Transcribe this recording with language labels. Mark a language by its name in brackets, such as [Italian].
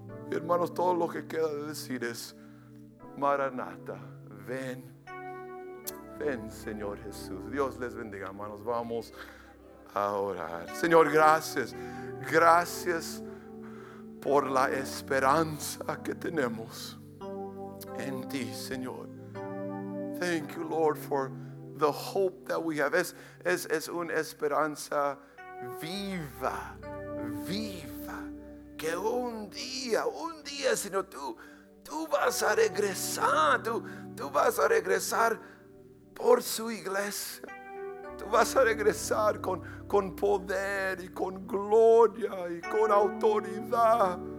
[Spanish] Y hermanos, todo lo que queda de decir es: Maranata, ven. Ven, Señor Jesús. Dios les bendiga, hermanos. Vamos a orar. Señor, gracias. Gracias por la esperanza que tenemos en ti, Señor. [English] Thank you, Lord, for the hope that we have. [Spanish] Es una esperanza viva, viva. Que un día, Señor, tú vas a regresar. Tú vas a regresar por su iglesia. Tú vas a regresar con poder y con gloria y con autoridad.